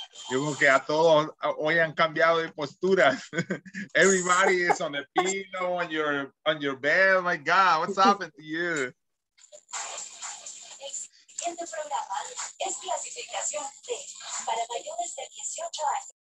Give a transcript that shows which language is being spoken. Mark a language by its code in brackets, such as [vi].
[es] Yo creo que a todos hoy han cambiado de postura. [en] Everybody is on the pillow, on your bed. My God, what's happened to you? [es] El siguiente programa es clasificación D para mayores de 18 años.